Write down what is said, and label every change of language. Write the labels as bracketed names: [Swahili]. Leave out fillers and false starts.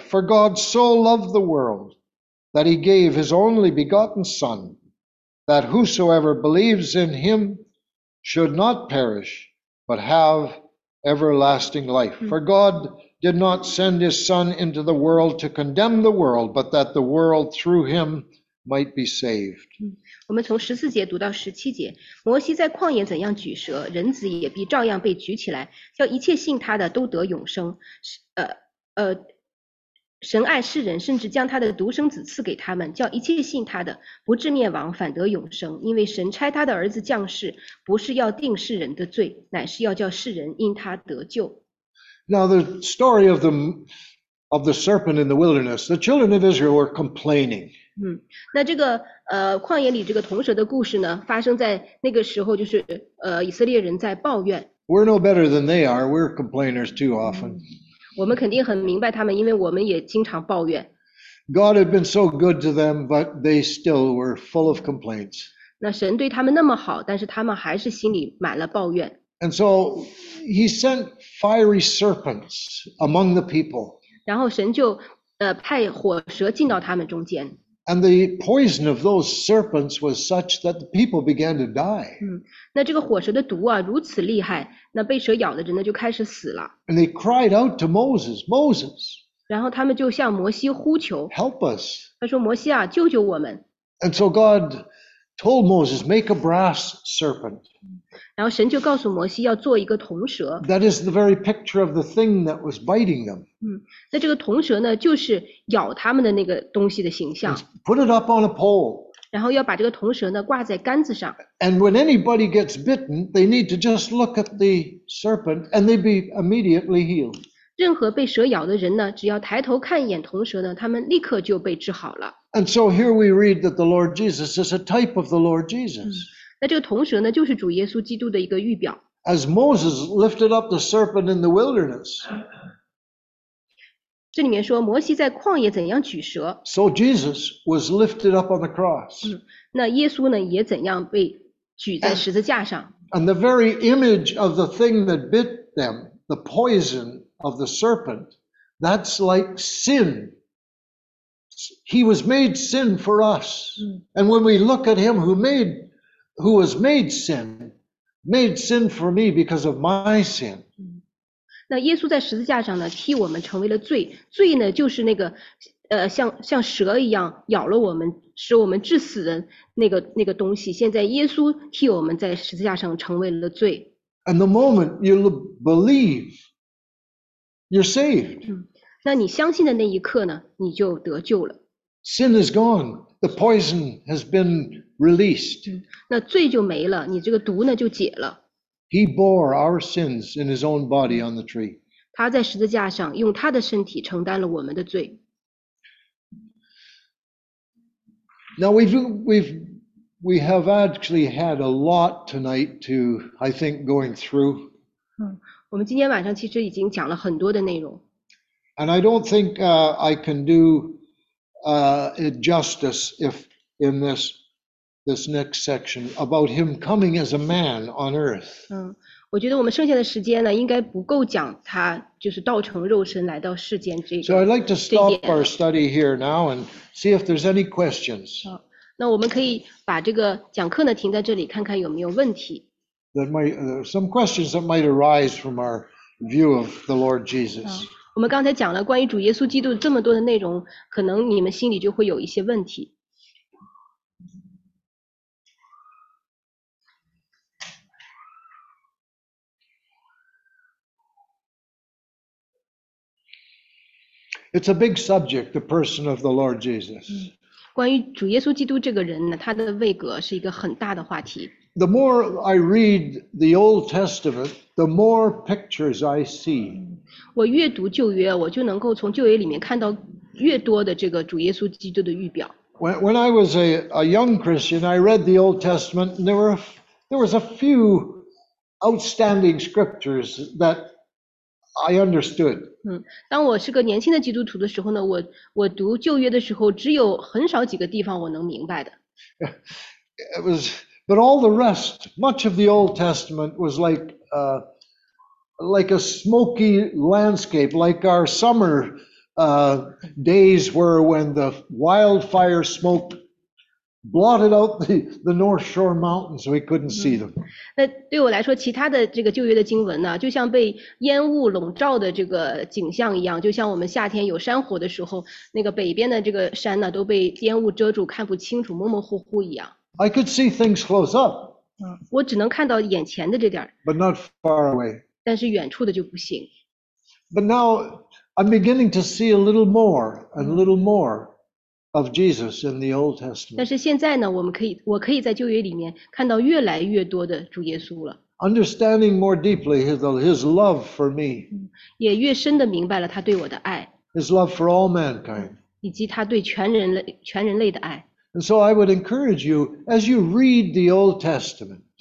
[English] For God so loved the world that he gave his only begotten Son, that whosoever believes in him should not perish, but have everlasting life. For God did not send his Son into the world to condemn the world, but that the world through him might be saved. [Chinese] 我们从十四节读到十七节，摩西在旷野怎样举舌，人子也必照样被举起来，叫一切信他的都得永生。神爱世人，甚至将他的独生子赐给他们，叫一切信他的不至灭亡，反得永生。因为神差他的儿子降世，不是要定世人的罪，乃是要叫世人因他得救。 [English] Now the story of the serpent in the wilderness, the children of Israel were complaining. [Chinese] 那这个旷野里这个铜蛇的故事呢，发生在那个时候，就是以色列人在抱怨。 [English] We're no better than they are. We're complainers too often. [Chinese] 我们肯定很明白他们，因为我们也经常抱怨。 [English] God had been so good to them, but they still were full of complaints. [Chinese] 那神对他们那么好，但是他们还是心里满了抱怨。 [English] And so he sent fiery serpents among the people. [Chinese] 然后神就派火蛇进到他们中间。 [English] And the poison of those serpents was such that the people began to die. [Chinese] 那这个火蛇的毒啊，如此厉害，那被蛇咬的人呢，就开始死了。 [English] And they cried out to Moses, Moses. [Chinese] 然后他们就向摩西呼求。 [English] Help us. [Chinese] 他说，摩西啊，救救我们。 [English] And so God told Moses, make a brass serpent. [Chinese] 然后神就告诉摩西要做一个铜蛇。 [English] That is the very picture of the thing that was biting them. [Chinese] 那这个铜蛇呢，就是咬他们的那个东西的形象。 [English] Put it up on a pole. [Chinese] 然后要把这个铜蛇呢挂在杆子上。 [English] And when anybody gets bitten, they need to just look at the serpent and they'd be immediately healed. [Chinese] 任何被蛇咬的人呢，只要抬头看一眼铜蛇呢，他们立刻就被治好了。 [English] And so here we read that the Lord Jesus is a type of the Lord Jesus. [Chinese] 那这个铜蛇呢，就是主耶稣基督的一个预表。 [English] As Moses lifted up the serpent in the wilderness. [Chinese] 这里面说摩西在旷野怎样举蛇。 [English] So Jesus was lifted up on the cross. [Chinese] 那耶稣呢，也怎样被举在十字架上。 [English] And the very image of the thing that bit them, the poison of the serpent, that's like sin. He was made sin for us. And when we look at him who was made sin for me because of my sin. [Chinese] 那耶稣在十字架上呢，替我们成为了罪。罪呢，就是那个像蛇一样咬了我们，使我们致死的那个东西。现在耶稣替我们在十字架上成为了罪。 [English] And the moment you believe, you're saved. [Chinese] 那你相信的那一刻呢，你就得救了。 [English] Sin is gone. The poison has been released. [Chinese] 那罪就没了，你这个毒呢就解了。 [English] He bore our sins in his own body on the tree. [Chinese] 他在十字架上用他的身体承担了我们的罪。 [English] Now we have actually had a lot tonight to, I think, going through. [Chinese] 我们今天晚上其实已经讲了很多的内容。 [English] And I don't think I can do it justice if in this next section about him coming as a man on earth. [Chinese] 我觉得我们剩下的时间呢，应该不够讲他就是道成肉身来到世间这个。 [English] So I'd like to stop our study here now and see if there's any questions. [Chinese] 那我们可以把这个讲课呢停在这里，看看有没有问题。 [English] Some questions that might arise from our view of the Lord Jesus. [Chinese] 我们刚才讲了关于主耶稣基督这么多的内容，可能你们心里就会有一些问题。 [English] It's a big subject, the person of the Lord Jesus. [Chinese] 关于主耶稣基督这个人呢，他的位格是一个很大的话题。 [English] The more I read the Old Testament, the more pictures I see. [Chinese] 我阅读旧约，我就能够从旧约里面看到越多的这个主耶稣基督的预表。 [English] When I was a young Christian, I read the Old Testament, and there was a few outstanding scriptures that I understood. [Chinese] 当我是个年轻的基督徒的时候呢，我读旧约的时候，只有很少几个地方我能明白的。 [English] It was But all the rest, much of the Old Testament was like a smoky landscape, like our summer days were when the wildfire smoke blotted out the North Shore mountains, so we couldn't see them. [Chinese] 那对我来说，其他的这个旧约的经文呢，就像被烟雾笼罩的这个景象一样，就像我们夏天有山火的时候，那个北边的这个山呢，都被烟雾遮住，看不清楚，模模糊糊一样。 [English] I could see things close up. [Chinese] 我只能看到眼前的这点。 [English] But not far away. [Chinese] 但是远处的就不行。 [English] But now I'm beginning to see a little more and a little more. Of Jesus in the Old Testament. [Chinese] 但是现在呢，我可以在旧约里面看到越来越多的主耶稣了。 [English] Understanding more deeply his love for me. [Chinese] 也越深的明白了他对我的爱。 [English] His love for all mankind. [Chinese] 以及他对全人类的爱。 [English] And so I would encourage you as you read the Old Testament.